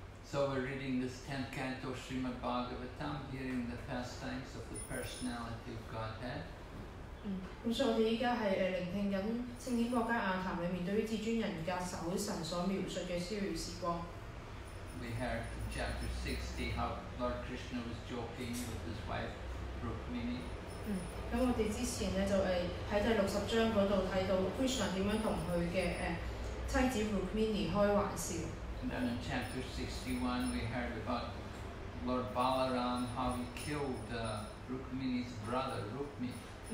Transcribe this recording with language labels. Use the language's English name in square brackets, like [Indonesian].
[English] So we're reading this 10th canto of Srimad Bhagavatam, hearing the pastimes of the personality of Godhead. [Chinese] 所以我們現在是聆聽聖經國家雅談裡面對於至尊人格首神所描述的逍遙時光。 [English] We heard in chapter 60 how Lord Krishna was joking with his wife Rukmini. [Chinese] 我們之前在第60章那裡看到 Krishna怎樣跟他的妻子 Rukmini開玩笑。 [English] And then in chapter 61 we heard about Lord Balaram, how he killed Rukmini's brother Rukmini.